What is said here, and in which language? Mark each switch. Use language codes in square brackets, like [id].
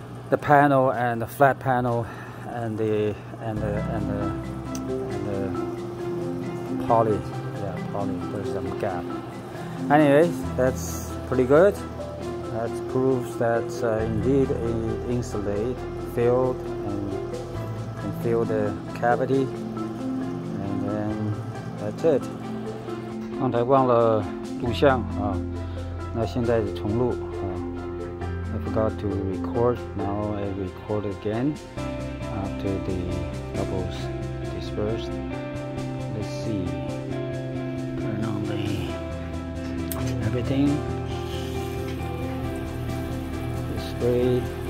[en] the panel and the flat panel and the and the and the, and the poly. Yeah, poly, there's some gap. Anyway, that's pretty good. That proves that indeed a insulate filled and can fill the cavity. And then that's it. [zh] 刚才忘了录像啊，那现在重录啊。 [en] I forgot to record. Now I record again after the bubbles dispersed. Let's see. Turn on the everything. The spray.